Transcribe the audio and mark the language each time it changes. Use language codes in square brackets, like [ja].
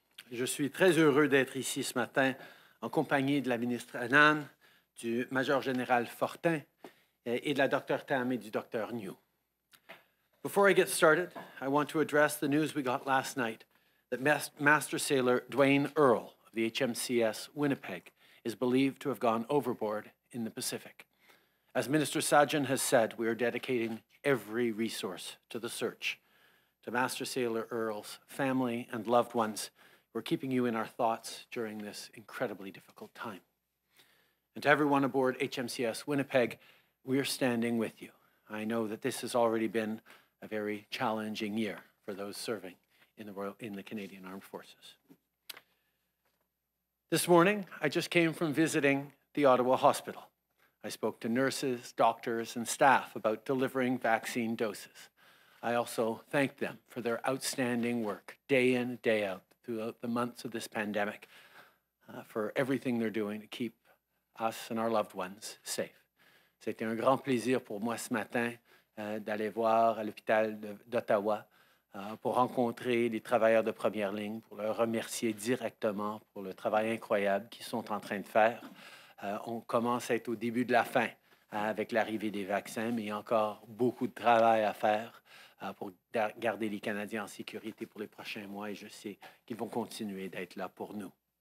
[fr] Je suis très heureux d'être ici ce matin en compagnie de la ministre Annan, du major général Fortin et de la docteur Tam et du docteur New. [en] Before I get started, I want to address the news we got last night that Master Sailor Dwayne Earle of the HMCS Winnipeg is believed to have gone overboard in the Pacific. As Minister Sajjan has said, we are dedicating every resource to the search. To Master Sailor Earle's family and loved ones, we're keeping you in our thoughts during this incredibly difficult time. And to everyone aboard HMCS Winnipeg, we are standing with you. I know that this has already been a very challenging year for those serving in the Canadian Armed Forces. This morning, I just came from visiting the Ottawa Hospital. I spoke to nurses, doctors, and staff about delivering vaccine doses. I also thank them for their outstanding work day in, day out, throughout the months of this pandemic, for everything they're doing to keep us and our loved ones safe. [fr] C'était un grand plaisir pour moi ce matin d'aller voir à l'hôpital d'Ottawa pour rencontrer les travailleurs de première ligne, pour leur remercier directement pour le travail incroyable qu'ils sont en train de faire. On commence à être au début de la fin avec l'arrivée des vaccins, mais il y a encore beaucoup de travail à faire pour garder les Canadiens en sécurité pour les prochains mois, et je sais qu'ils vont continuer d'être là pour nous.